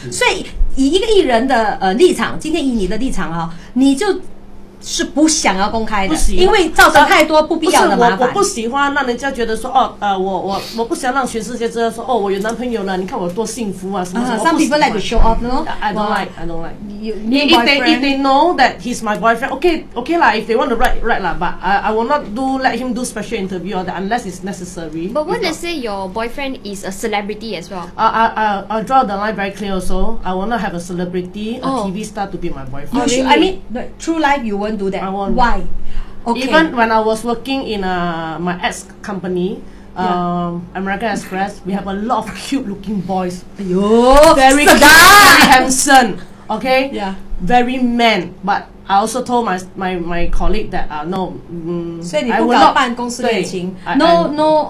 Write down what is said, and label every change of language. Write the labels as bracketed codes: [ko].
[zh] 所以以一个艺人的立场，今天以你的立场啊，你就是不想要公开的，因为造成太多不必要的麻烦。不是我不喜欢让人家觉得说哦，我不想让全世界知道说哦，我有男朋友了，你看我多幸福啊什么什么。 [en] Some people like to show off, no? I don't like. If they know that he's my boyfriend, okay lah. If they want to write lah, but I will not let him do special interview or that unless it's necessary. But what let's say your boyfriend is a celebrity as well? I draw the line very clear. Also, I will not have a celebrity, a TV star to be my boyfriend. I mean, true life you won't do that. Why? Okay. Even when I was working in my ex company, American Express, we have a lot of cute looking boys. Ayo, very cute, very handsome. Okay. Yeah. Very man, but I also told my colleague that no. [zh] 所以你不搞办公室恋情 ？ [en] No.